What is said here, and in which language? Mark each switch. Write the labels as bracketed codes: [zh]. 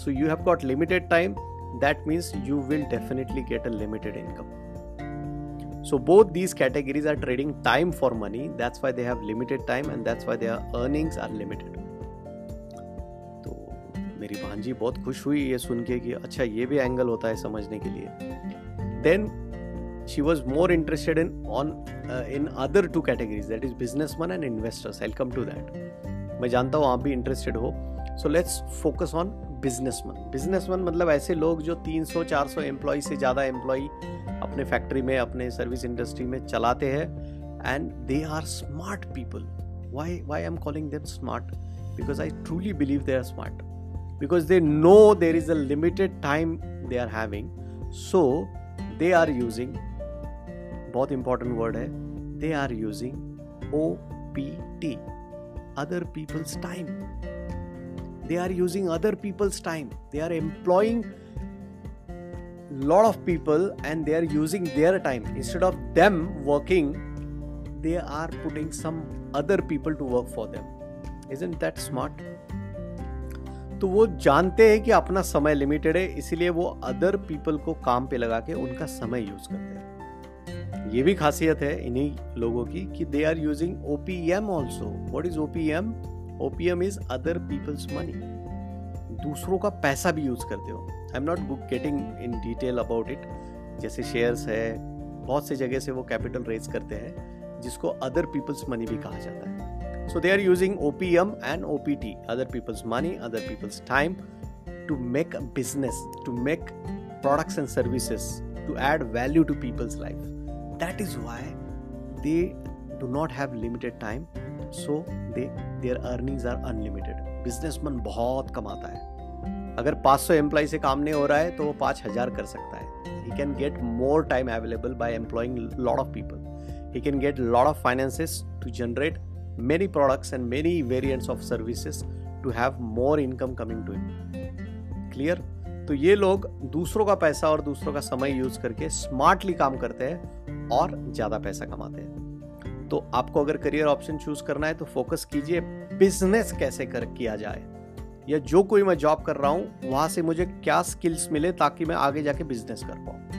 [en] So you have got limited time, that means you will definitely get a limited income. So both these categories are trading time for money, that's why they have limited time and that's why their earnings are limited. [hi] तो मेरी भांजी बहुत खुश हुई ये सुन के कि अच्छा ये भी एंगल होता है समझने के लिए। [en] Then she was more interested in other two categories, that is businessman and investors. I'll come to that. [hi] मैं जानता हूँ आप भी interested हो, [en] so let's focus on businessman. [hi] Businessman मतलब ऐसे लोग जो 300-400 employee से ज़्यादा employee अपने factory में, अपने service industry में चलाते हैं, [en] and they are smart people. Why I'm calling them smart? Because I truly believe they are smart. Because they know there is a limited time they are having, so they are using, [hi] बहुत important word है, [en] They are using OPT, other peoples time. They are using other peoples time, they are employing lot of people and they are using their time. Instead of them working, they are putting some other people to work for them. Isn't that smart? [hi] तो वो जानते हैं कि अपना समय limited है, इसीलिए वो अदर पीपल को काम पे लगा के उनका समय यूज करते हैं। ये भी खासियत है इन्हीं लोगों की कि [en] They are using OPM also. What is OPM? OPM is other people's money. [hi] दूसरों का पैसा भी यूज करते हो। [en] I am not getting in detail about it, [hi] जैसे शेयर्स है, बहुत से जगह से वो कैपिटल रेज करते हैं जिसको अदर पीपल्स मनी भी कहा जाता है। [en] So they are using OPM and OPT, other people's money, other people's time, to make a business, to make products and services, to add value to people's life. That is why they do not have limited time, so their earnings are unlimited. [hi] Businessman बहुत कमाता है। अगर 500 employee से काम नहीं हो रहा है तो वो 5000 कर सकता है। [en] He can get more time available by employing lot of people. He can get lot of finances to generate many products and many variants of services to have more income coming to him. Clear? [hi] तो ये लोग दूसरों का पैसा और दूसरों का समय यूज करके स्मार्टली काम करते हैं और ज्यादा पैसा कमाते हैं। तो आपको अगर करियर ऑप्शन चूज करना है तो फोकस कीजिए बिजनेस कैसे कर किया जाए, या जो कोई मैं जॉब कर रहा हूं वहां से मुझे क्या स्किल्स मिले ताकि मैं आगे जाके बिजनेस कर पाऊं।